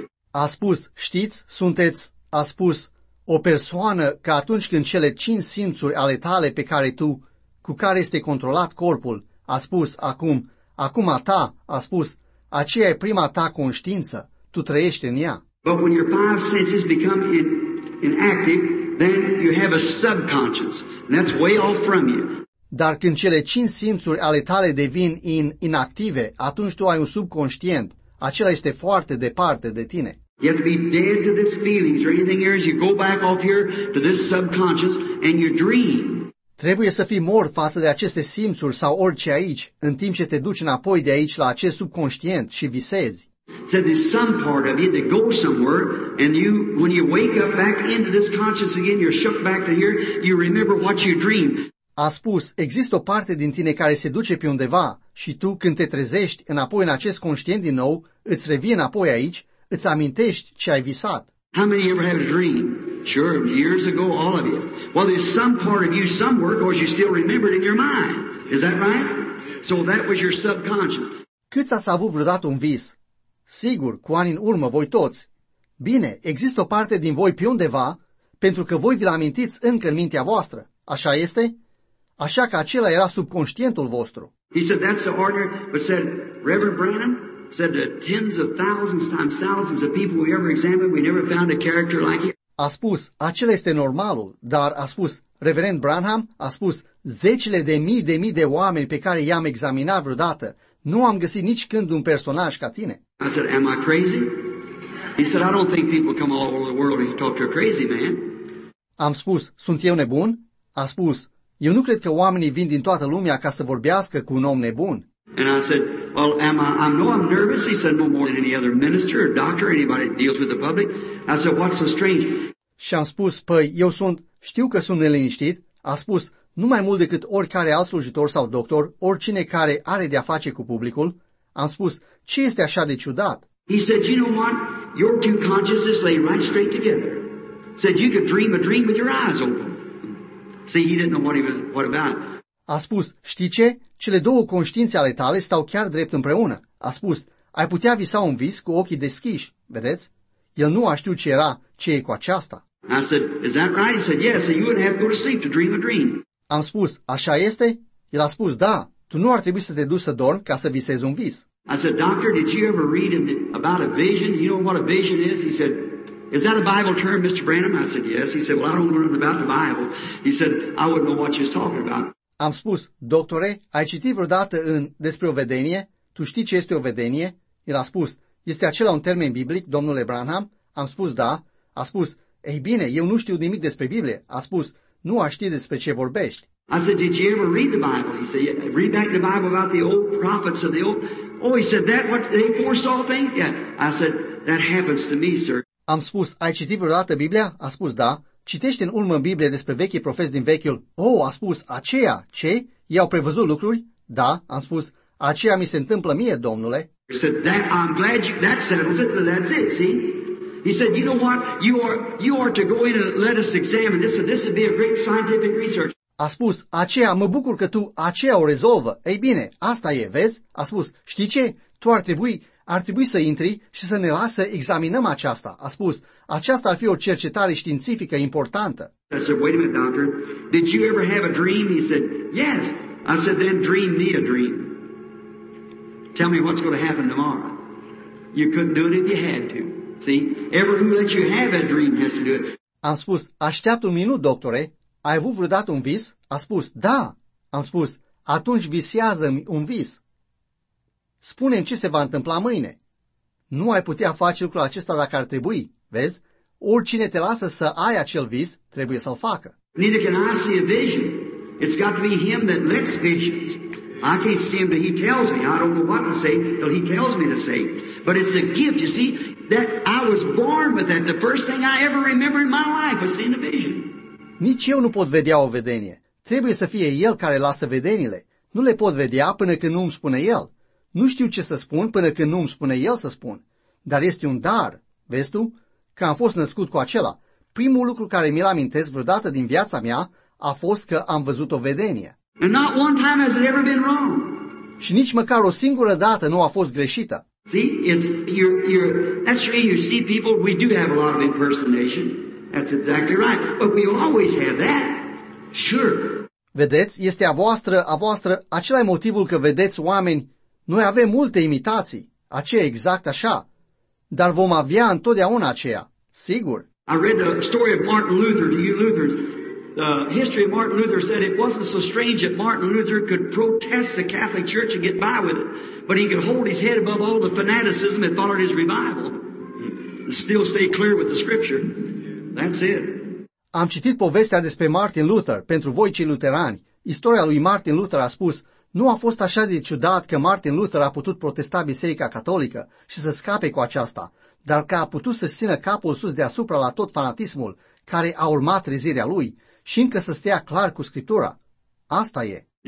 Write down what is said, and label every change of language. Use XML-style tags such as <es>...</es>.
<ro>A spus, știți, sunteți, a spus, o persoană că atunci când cele cinci simțuri ale tale pe care tu, cu care este controlat corpul, a spus acum, acum a ta, a spus, aceea e prima ta conștiință, tu trăiești în ea.</ro> <en>But when your five senses become inactive, then you have a subconscious, and that's way off from you.</en> <ro>Dar când cele cinci simțuri ale tale devin inactive, atunci tu ai un subconștient, acela este foarte departe de tine.</ro> <en>You have to be dead to these feelings or anything else. You go back off here to this subconscious and you dream.</en> <ro>Trebuie să fii mort față de aceste simțuri sau orice aici, în timp ce te duci înapoi de aici la acest subconștient și visezi.</ro> <en>So there's some part of you that goes somewhere and you, when you wake up back into this conscious again, you're shook back to here, you remember what you dreamed.</en> <ro>A spus, există o parte din tine care se duce pe undeva și tu când te trezești înapoi în acest conștient din nou, îți revii înapoi aici, îți amintești ce ai visat.</ro> <en>How many ever had a dream? Sure, years ago, all of you. Well, there's some part of you somewhere, or you still remember it in your mind. Is that right? So that was your subconscious.</en> <ro>Câți ați avut vreodată un vis? Sigur, cu ani în urmă, voi toți. Bine, există o parte din voi pe undeva, pentru că voi vi-l amintiți încă în mintea voastră. Așa este? Așa că acela era subconștientul vostru.</ro> <en>He said, that's the order, but said, Reverend Branham, said the tens of thousands times thousands of people we ever examined, we never found a character like him.</en> <ro>A spus, acela este normalul, dar a spus, Reverend Branham, a spus, zecile de mii de mii de oameni pe care i-am examinat vreodată, nu am găsit nici când un personaj ca tine.</ro> <en>I said, am I crazy? He said, I don't think people come all over the world and talk to a crazy man.</en> <ro>Am spus, sunt eu nebun? A spus, eu nu cred că oamenii vin din toată lumea ca să vorbească cu un om nebun.</ro> <en>And I said, well, I'm nervous, he said, no more than any other minister or doctor, anybody that deals with the public. I said, what's so strange?</en> <ro>Și am spus, păi, eu sunt, știu că sunt neliniștit, a spus, nu mai mult decât oricare alt slujitor sau doctor, oricine care are de-a face cu publicul, am spus, ce este așa de ciudat?</ro> <en>He said, you know what, your two consciences lay right straight together. Said, you could dream a dream with your eyes open. See, he didn't know what about.</en> <ro>A spus, știi ce? Cele două conștiințe ale tale stau chiar drept împreună. A spus, ai putea visa un vis cu ochii deschiși, vedeți? El nu a știut ce era, ce e cu aceasta.</ro> <en>I said, is that right? He said, yes. So you wouldn't have to go to sleep to dream a dream.</en> <ro>Am spus, așa este? El a spus, da, tu nu ar trebui să te duci să dormi ca să visezi un vis.</ro> <en>I said, doctor, did you ever read about a vision? You know what a vision is? He said, is that a Bible term, Mr. Branham? I said, yes. He said, well, I don't know about the Bible. He said, I wouldn't know what you're talking about.</en> <ro>Am spus, doctore, ai citit vreodată în despre o vedenie? Tu știi ce este o vedenie? El a spus, este acela un termen biblic, domnule Branham? Am spus, da. A spus, ei bine, eu nu știu nimic despre Biblie. A spus, nu aș ști despre ce vorbești.</ro> <en>I said, did you ever read the Bible? He said, yeah, read back the Bible about the old prophets of the old... Oh, he said, that what they foresaw things? Yeah. I said, that happens to me, sir.</en> <ro>Am spus, ai citit vreodată Biblia? A spus, da. Citește în urmă Biblia despre vechii profeți din vechiul. Oh, a spus, aceia, ce? I-au prevăzut lucruri? Da, am spus, aceea mi se întâmplă mie, domnule.</ro> <en>He said, that, I'm glad you, that settles it, that's it, see? He said, you know what, you are to go in and let us examine this, this would be a great scientific research.</en> <ro>A spus, aceea, mă bucur că tu aceea o rezolvă. Ei bine, asta e, vezi? A spus, știi ce? Tu ar trebui să intri și să ne lasă să examinăm aceasta. A spus, aceasta ar fi o cercetare științifică importantă.</ro> <en>I said, wait a minute, doctor. Did you ever have a dream? He said, yes. I said, then dream me a dream. Tell me what's going to happen tomorrow. You couldn't do it if you had to. See? Everyone who lets you have that dream has to do it.</en> <ro>Am spus, așteaptă un minut, doctore. Ai avut vreodată un vis? A spus, da. Am spus, atunci visează-mi un vis. Spune-mi ce se va întâmpla mâine. Nu ai putea face lucrul acesta dacă ar trebui, vezi? Oricine te lasă să ai acel vis, trebuie să-l facă.</ro> <en>Neither can I see a vision. It's got to be him that lets visions. I can't see him, but he tells me. I don't know what to say, till he tells me to say. But it's a gift, you see, that I was born with that. The first thing I ever remember in my life was seeing a vision.</en> <ro>Nici eu nu pot vedea o vedenie. Trebuie să fie El care lasă vedenile. Nu le pot vedea până când nu îmi spune El. Nu știu ce să spun până când nu îmi spune El să spun. Dar este un dar, vezi tu, că am fost născut cu acela. Primul lucru care mi-l amintesc vreodată din viața mea a fost că am văzut o vedenie.</ro> <en>And not one time has it ever been wrong.</en> <ro>Și nici măcar o singură dată nu a fost greșită.</ro> <en>See, it's your that's true, you see people, we do have a lot of impersonation. That's exactly right. But we always have that. Sure.</en> <ro>Vedeți, este a voastră, acela e motivul că vedeți oameni. Noi avem multe imitații, aceea exact așa. Dar vom avea întotdeauna aceea, sigur.</ro> <en>I read the story of Martin Luther to you Lutherans. The history of Martin Luther said it wasn't so strange that Martin Luther could protest the Catholic Church and get by with it, but he could hold his head above all the fanaticism that followed his revival and still stay clear with the scripture. That's it.</en> <ro>Am citit povestea despre Martin Luther pentru voi cei luterani. Istoria lui Martin Luther a spus, nu a fost așa de ciudat că Martin Luther a putut protesta Biserica Catolică și să scape cu aceasta, dar că a putut să țină capul sus deasupra la tot fanatismul care a urmat trezirea lui și încă să stea clar cu Scriptura. Asta e.</ro>